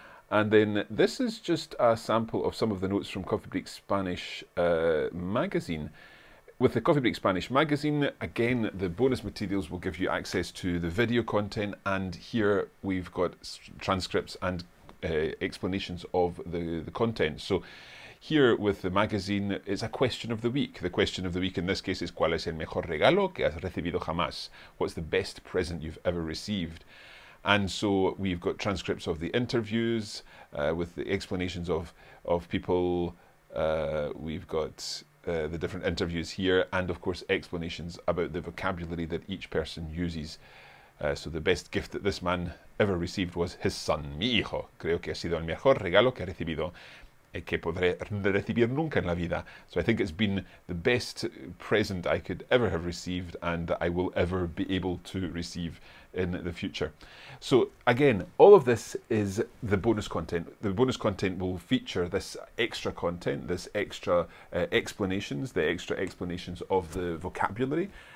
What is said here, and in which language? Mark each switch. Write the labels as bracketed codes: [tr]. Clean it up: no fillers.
[en] And then this is just a sample of some of the notes from Coffee Break Spanish magazine. With the Coffee Break Spanish magazine, again, the bonus materials will give you access to the video content, and here we've got transcripts and explanations of the content. So here with the magazine, it's a question of the week. The question of the week in this case is: [es] ¿Cuál es el mejor regalo que has recibido jamás? [en] What's the best present you've ever received? And so we've got transcripts of the interviews with the explanations of people. We've got the different interviews here, and of course, explanations about the vocabulary that each person uses. So the best gift that this man ever received was his son, [es] mi hijo. Creo que ha sido el mejor regalo que ha recibido y que podré recibir nunca en la vida. [en] So I think it's been the best present I could ever have received and that I will ever be able to receive in the future. So again, all of this is the bonus content. The bonus content will feature this extra content, this extra explanations, the extra explanations of the vocabulary.